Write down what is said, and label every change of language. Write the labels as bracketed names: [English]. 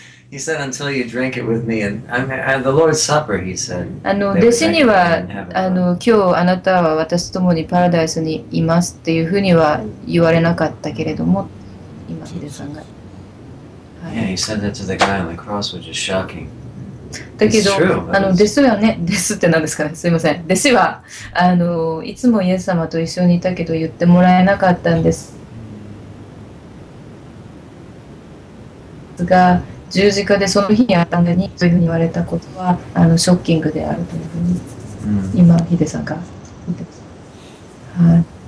[English] He said, until you drink it with me. And I mean, the Lord's Supper, he said. [Japanese] 弟子には今日あなたは私と共にパラダイスにいますっていうふうには言われなかったけれども、今ヒデさんが。 [English] Yeah, he said that to the guy on the cross, which is shocking. [Japanese] だけど、弟子はね、弟子って何ですかね、すいません、弟子はいつもイエス様と一緒にいたけど言ってもらえなかったんですが、十字架でその日にあったのにというふうに言われたことはショッキングであるというふうに、うん、今、ヒデさんが言ってます、はい、